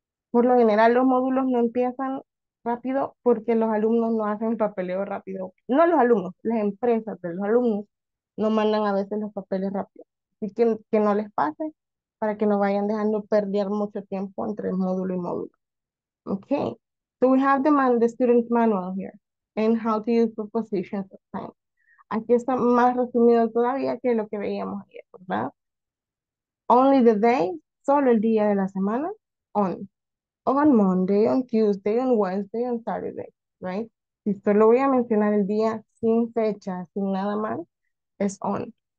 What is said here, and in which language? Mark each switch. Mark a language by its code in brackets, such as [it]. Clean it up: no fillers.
[es] Por lo general, los módulos no empiezan rápido porque los alumnos no hacen papeleo rápido. No los alumnos, las empresas de los alumnos no mandan a veces los papeles rápido. Así que no les pase para que no vayan dejando perder mucho tiempo entre el módulo y módulo. [en] Okay, so we have the student manual here and how to use prepositions of time. [es] Aquí está más resumido todavía que lo que veíamos ayer, ¿verdad? [en] Only the day, [es] solo el día de la semana, on. [en] On Monday, on Tuesday, on Wednesday, on Saturday, right? [es] Si solo voy a mencionar el día sin fecha, sin nada más, es on.